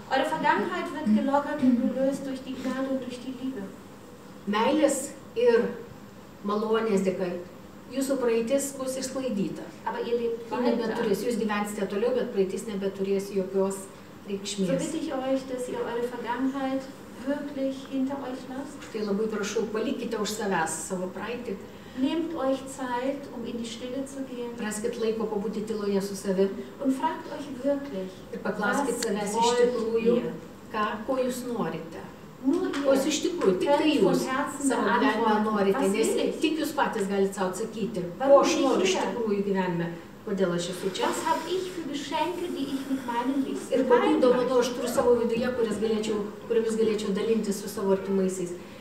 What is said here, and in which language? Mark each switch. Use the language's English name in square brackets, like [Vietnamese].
[German] Eure Vergangenheit wird gelockert und gelöst durch die Gnade und durch die Liebe. [Lithuanian] Meilės ir malonės dėkai. Jūsų praeitis bus išsklaidyta. [German] Aber ihr lebt [Lithuanian] nebeturės. Jūs gyvensite toliau, bet praeitis nebeturės jokios reikšmės. [German] So bitte ich euch, dass ihr eure Vergangenheit wirklich hinter euch lasst. [Lithuanian] Tai labai prašau, palikite už savęs savo praeitį. [German] Nehmt euch Zeit, um in die Stille zu gehen. [Lithuanian] Raskit laiko pabūti tyloje su savim. [German] Und fragt euch wirklich, [Lithuanian] ir paklauskit savęs iš tikrųjų, ko jūs norite. O jūs iš tikrųjų, tik tai jūs savo gyvenimą norite, nes tik jūs patys galite savo atsakyti, ko aš noriu iš tikrųjų gyvenime, kodėl aš esu čia. [German] Was hab ich für Geschenke, die ich mit meinen Liebsten. [Lithuanian] Ir kokių dovanų aš turiu savo viduje, kuriomis galėčiau dalintis su savo artimaisiais.